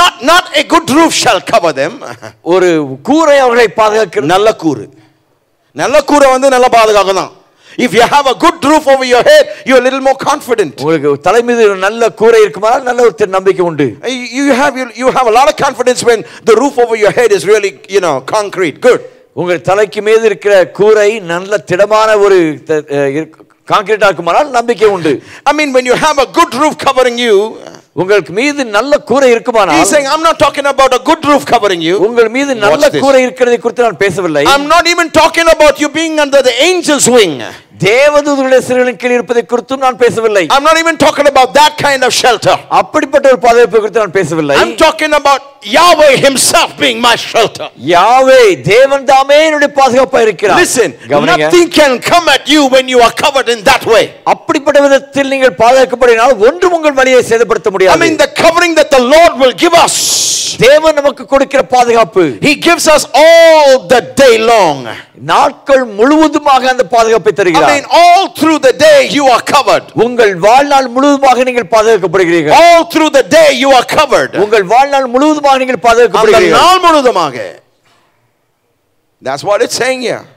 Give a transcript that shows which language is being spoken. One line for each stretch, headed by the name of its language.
English: Not a good roof shall cover them.
Tamil: ஒரு கூரை அவர்களை பாதுகாக்கும். நல்ல கூரை வந்து நல்ல பாதுகாக்கும் தான்.
English: If you have a good roof over your head, you are a little more confident.
Tamil: உங்களுக்கு தலை மீது ஒரு நல்ல கூரை இருக்குமானால் நல்ல ஒரு நம்பிக்கை உண்டு.
English: You have a lot of confidence when the roof over your head is really, you know, concrete. Good.
Tamil: உங்கள் தலைக்கு மீது இருக்கிற கூரை நல்ல திடமான ஒரு கான்கிரீட்டா இருக்குமானால் நம்பிக்கை உண்டு.
English: I mean, when you have a good roof covering you,
Tamil: உங்களுக்கு மீது நல்ல கூரை இருக்குமானால்,
English: he's saying I'm not talking about a good roof covering you.
Tamil: உங்கள் மீது நல்ல கூரை இருக்கிறது குறித்து நான் பேசவில்லை.
English: I'm not even talking about you being under the angel's wing.
Tamil: தேவதூதர்களின் சிறகின் கீழ் இருப்பதை குறித்து நான் பேசவில்லை.
English: I'm not even talking about that kind of shelter.
Tamil: அப்படிப்பட்ட ஒரு பாதுகாப்பு குறித்து நான் பேசவில்லை.
English: I'm talking about Yahweh himself being my shelter.
Tamil: யாவே தேவன் தாமே என்னுடைய பாதுகாப்பாக இருக்கிறார்.
English: Listen, nothing can come at you when you are covered in that way.
Tamil: அப்படிப்பட்ட விதத்தில் நீங்கள் பாதுகாக்கப்படினால் ஒன்றும் உங்கள் வழியை சேதப்படுத்த முடியாது.
English: I mean, the covering that the Lord will give us.
Tamil: தேவன் நமக்கு கொடுக்கிற பாதுகாப்பு.
English: He gives us all the day long.
Tamil: நாட்கள் முழுவதுமாக அந்த பாதுகாப்பை தருகிறார்.
English: I mean, all through the day you are covered.
Tamil: உங்கள் வாழ்நாள் முழுவதுமாக நீங்கள் பாதுகாக்கப்படுகிறீர்கள்.
English: All through the day you are covered.
Tamil: உங்கள் வாழ்நாள் முழுவதுமாக நீங்கள் பாதுகாக்கப்படுகிறீர்கள். அந்த நாள் முழுவதுமாக.
English: That's what it's saying here.